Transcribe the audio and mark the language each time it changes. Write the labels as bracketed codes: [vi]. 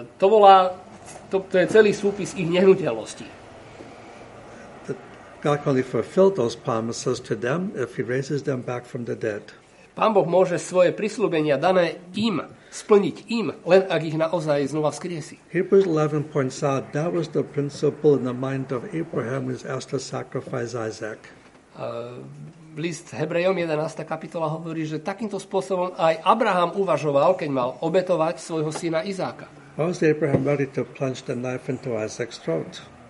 [sk] To je celý súpis ich nehnuteľností. [en] God can only fulfill those promises to them if he raises them back from the dead. [sk] Pán Boh môže svoje prisľúbenia dané im splniť im, len ak ich naozaj znova vzkriesí. [en] Hebrews 11 points out that was the principle in the mind of Abraham when he asked to sacrifice Isaac. [sk] List Hebrejom 11. kapitola hovorí, že takýmto spôsobom aj Abraham uvažoval, keď mal obetovať svojho syna Izáka. [en] Was Abraham ready to plunge the knife into Isaac's throat?